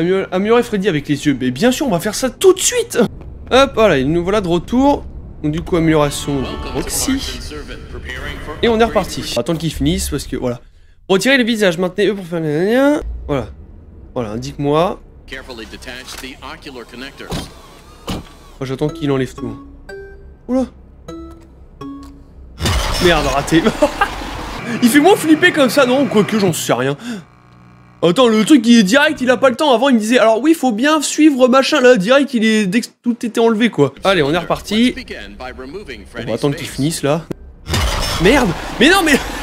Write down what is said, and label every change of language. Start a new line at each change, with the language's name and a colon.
French: Améliorer Freddy avec les yeux. Mais bien sûr, on va faire ça tout de suite. Hop, voilà, et nous voilà de retour. Donc du coup, amélioration de Roxy. Et on est reparti. Attendre qu'ils finissent, parce que, voilà. Retirer le visage, maintenez eux pour faire... Voilà. Voilà, indique-moi.
English: carefully detach the ocular connectors.
French: Oh, j'attends qu'il enlève tout. Oula. Merde, raté. Il fait moins flipper comme ça, non? Quoique, j'en sais rien. Attends, le truc, il est direct, il a pas le temps. Avant, il me disait, alors oui, faut bien suivre machin, là, direct, il est... Dès que tout était enlevé, quoi. Allez, on est reparti. On va attendre qu'il finisse, là. Merde. Mais non, mais...